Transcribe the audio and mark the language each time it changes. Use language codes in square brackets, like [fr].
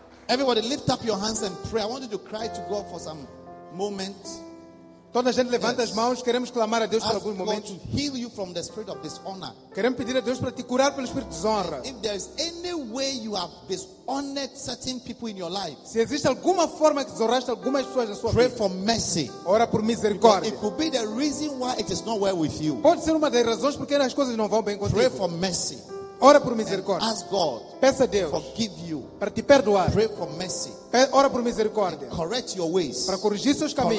[en] Everybody, lift up your hands and pray. I want you to cry to God for some moment. [pt] Toda a gente levanta as mãos, queremos clamar a Deus por algum momento. [en] To heal you from the spirit of dishonor. [pt] Queremos pedir a Deus para te curar pelo espírito de desonra. [en] If there is any way you have dishonored certain people in your life, [pt] se existe alguma forma que desonraste algumas pessoas na sua [en] pray [pt] vida, [en] for mercy. [pt] Ora por misericórdia. [en] It could be the reason why it is not well with you. [pt] Pode ser uma das razões porque as coisas não vão bem contigo. [en] Pray for mercy. [pt] Ora por misericórdia. [en] Ask God. [pt] Peça a Deus. [en] Forgive you. [pt] Para te perdoar. [en] Pray for mercy. [pt] Ora por misericórdia. [en] And correct your ways. [pt] Para corrigir seus caminhos.